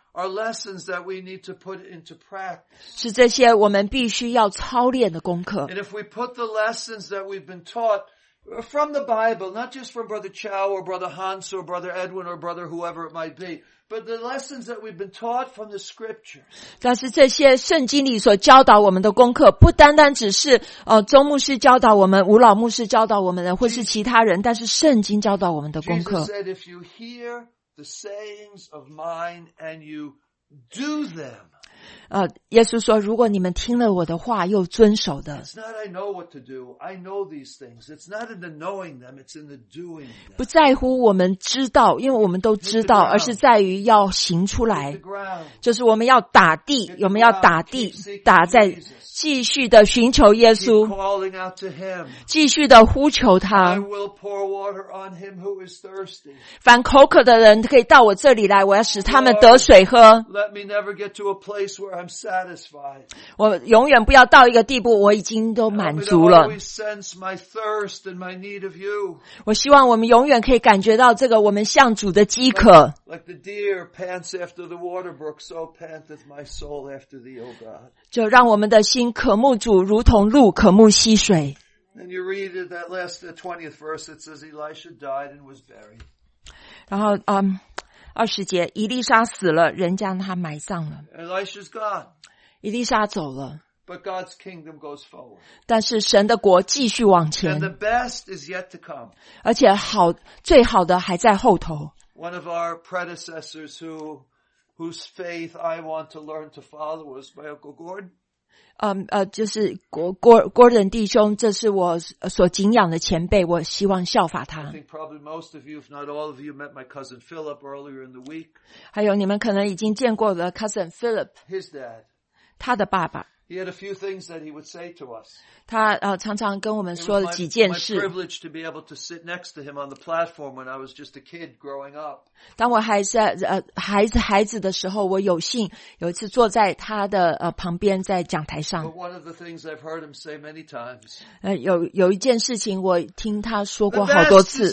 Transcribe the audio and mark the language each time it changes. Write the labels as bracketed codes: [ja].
[en] Are lessons that we need to put into practice. [zh] 是这些我们必须要操练的功课。 [en] And if we put the lessons that we've been taught from the Bible, not just from Brother Chow or Brother Hans or Brother Edwin or Brother whoever it might be, but the lessons that we've been taught from the Scriptures. [zh] 但是这些圣经里所教导我们的功课，不单单只是周牧师教导我们、吴老牧师教导我们的，或是其他人，但是圣经教导我们的功课。 [en] Jesus said, "If you hear." The sayings of mine, and you do them. [zh] 耶稣说，如果你们听了我的话又遵守的 [en] ，It's not I know what to do. I know these things. It's not in the knowing them. It's in the doing. [zh] 不在乎我们知道，因为我们都知道，而是在于要行出来。就是我们要打地，我们要打地，打在继续的寻求耶稣，继续的呼求他。 [en] I will pour water on him who is thirsty. [zh] 凡口渴的人可以到我这里来，我要使他们得水喝。 [en] Let me never get to a place where I'm satisfied. [zh] 我永远不要到一个地步，我已经都满足了。 [en] I always sense my thirst and my need of you. [zh] 我希望我们永远可以感觉到这个我们向主的饥渴。 [en] Like the deer pants after the water brook, so panteth my soul after thee, O God. [zh] 就让我们的心渴慕主，如同鹿渴慕溪水。 [en] And you read that last 20th verse, it says Elisha died and was buried. [zh] 然后二十节，伊丽莎死了，人将他埋葬了。 [en] Elisha's gone. [zh] 伊丽莎走了。 [en] But God's kingdom goes forward. [zh] 但是神的国继续往前。 [en] And the best is yet to come. [zh] 而且好，最好的还在后头。 [en] One of our predecessors whose faith I want to learn to follow was my Uncle Gordon. [zh] 就是Gordon 弟兄，这是我所敬仰的前辈，我希望效法他。 [en] I think probably most of you, if not all of you, met my cousin Philip earlier in the week. [zh] 还有你们可能已经见过的 [en] cousin [zh] Philip. [en] His dad. [zh] 他的爸爸。 [en] He had a few things that he would say to us. [zh] 他常常跟我们说了几件事。 [en] It was my privilege to be able to sit next to him on the platform when I was just a kid growing up. [zh] 当我还是孩子的时候，我有幸有一次坐在他的旁边在讲台上。 [en] But one of the things I've heard him say many times. [zh] 有一件事情我听他说过好多次。